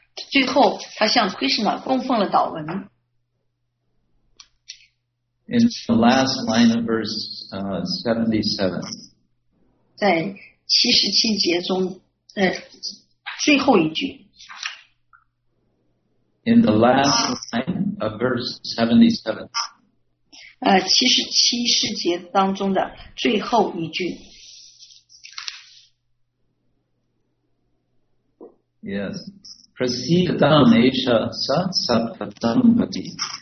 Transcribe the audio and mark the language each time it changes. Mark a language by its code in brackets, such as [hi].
[zh] 最后他向 Krishna 供奉了祷文。 [en] In the last line of verse 77. [zh] 在七十七节中最后一句。 [en] In the last line of verse 77. [zh] 77世节当中的最后一句。 [sa] Yes. Prasidam Esha Satsapatam Bhati.